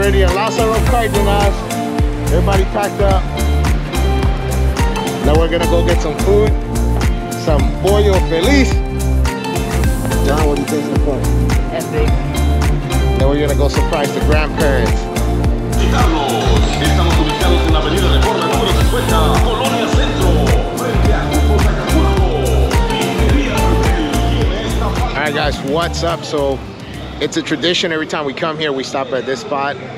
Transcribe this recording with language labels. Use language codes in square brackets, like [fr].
[en] Everybody packed up. Now we're gonna go get some food. Some pollo feliz. John, what do you think is the fun? Epic. Then we're gonna go surprise the grandparents. [es] Estamos ubicados en la avenida Reforma número 50, Colonia Centro. [en] Alright guys, what's up? So it's a tradition every time we come here, we stop at this spot.